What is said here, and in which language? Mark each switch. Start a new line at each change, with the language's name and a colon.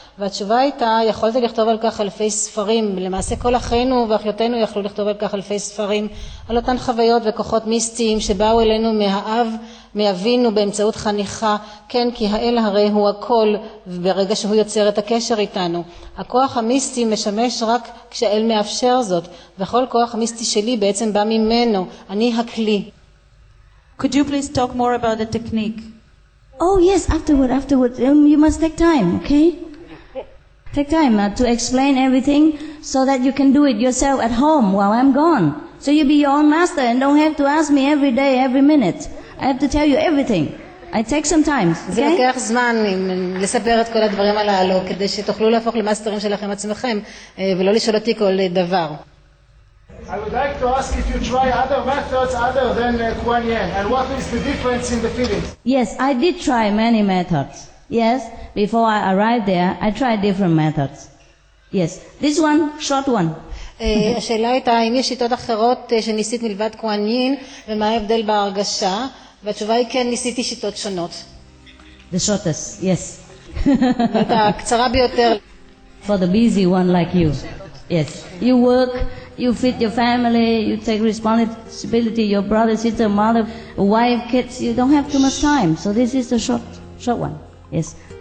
Hebrew: והתשובה הייתה, יכולת לכתוב על כך אלפי ספרים, למעשה כל אחינו ואחיותינו יכלו לכתוב על כך אלפי ספרים, על אותן חוויות וכוחות מיסטיים שבאו אלינו מהאב, מאבינו באמצעות חניכה, כן, כי האל הרי הוא הכל, וברגע שהוא יוצר את הקשר איתנו. הכוח המיסטי משמש רק כשהאל מאפשר זאת, וכל כוח מיסטי שלי בעצם בא ממנו, אני הכלי.
English: Could you please talk more about the technique? Oh yes, afterward, you must take time, okay? Take time to explain everything so that you can do it yourself at home while I'm gone. So you be your own master and don't have to ask me every day, every minute. I have to tell you everything. I take some time.
Hebrew: זה לוקח זמן לספר את כל הדברים הללו כדי שתוכלו להפוך למאסטרים שלכם עצמכם ולא לשאול אותי כל דבר.
English: I would like to ask if you try other methods other than Kuan Yin and what is the difference in the feelings? Yes, I did try many methods. Yes, before I arrived there, I tried different methods. Yes, this one, short one.
Hebrew: השאלה הייתה, האם יש שיטות אחרות שניסית מלבד כוואן יין, ומה ההבדל בהרגשה? והתשובה היא כן, ניסיתי שיטות שונות.
English: The shortest, yes.
Hebrew: הייתה קצרה ביותר.
English: For the busy one like you. Yes. You work, you feed your family, you take responsibility, your brother, sister, mother, wife, kids, you don't have too much time. So this is the short one. Yes.